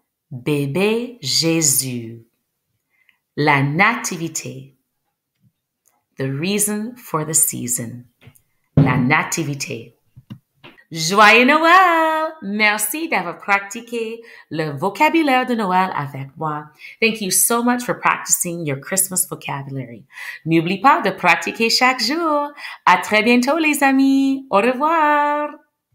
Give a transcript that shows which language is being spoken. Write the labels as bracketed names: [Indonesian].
[French] Bébé Jésus. La nativité. [English] The reason for the season. [French] La nativité. Joyeux Noël! Merci d'avoir pratiqué le vocabulaire de Noël avec moi. [English] Thank you so much for practicing your Christmas vocabulary. [French] N'oublie pas de pratiquer chaque jour. À très bientôt, les amis. Au revoir!